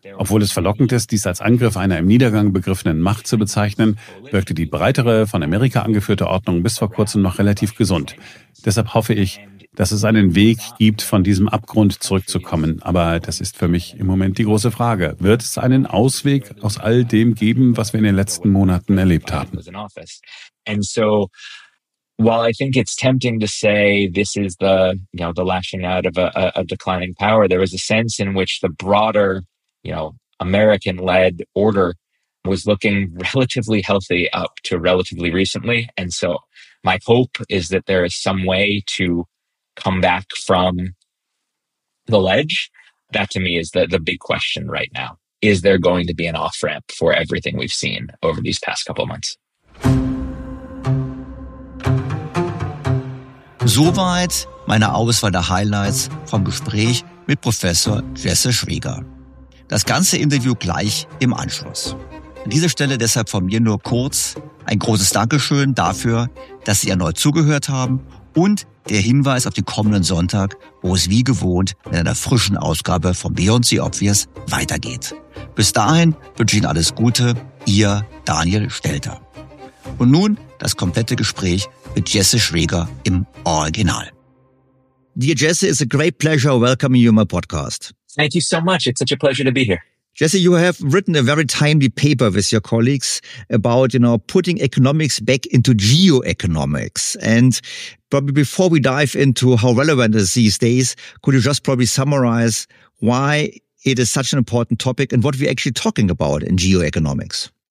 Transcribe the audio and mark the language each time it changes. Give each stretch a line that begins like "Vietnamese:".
German: Obwohl es verlockend ist, dies als Angriff einer im Niedergang begriffenen Macht zu bezeichnen, wirkte die breitere, von Amerika angeführte Ordnung bis vor kurzem noch relativ gesund. Deshalb hoffe ich, dass es einen Weg gibt, von diesem Abgrund zurückzukommen. Aber das ist für mich im Moment die große Frage. Wird es einen Ausweg aus all dem geben, was wir in den letzten Monaten erlebt haben?
English: And so, while I think it's tempting to say this is the, you know, the lashing out of a declining power, there was a sense in which the broader, you know, American-led order was looking relatively healthy up to relatively recently. And so my hope is that there is some way to come back from the ledge. That to me is the big question right now. Is there going to be an off-ramp for everything we've seen over these past couple of months?
German: Soweit meine Auswahl der Highlights vom Gespräch mit Professor Jesse Schwieger. Das ganze Interview gleich im Anschluss. An dieser Stelle deshalb von mir nur kurz ein großes Dankeschön dafür, dass Sie erneut zugehört haben und der Hinweis auf den kommenden Sonntag, wo es wie gewohnt in einer frischen Ausgabe von Beyond the Obvious weitergeht. Bis dahin wünsche ich Ihnen alles Gute, Ihr Daniel Stelter. Und nun das komplette Gespräch mit Jesse Schwieger im Original.
English: Dear Jesse, it's a great pleasure welcoming you on my podcast. Thank you so much. It's such a pleasure to be here. Jesse, you have written a very timely paper with your colleagues about, you know, putting economics back into geoeconomics. And probably before we dive into how relevant it is these days, could you just probably summarize why it is such an important topic and what we're actually talking about in geoeconomics?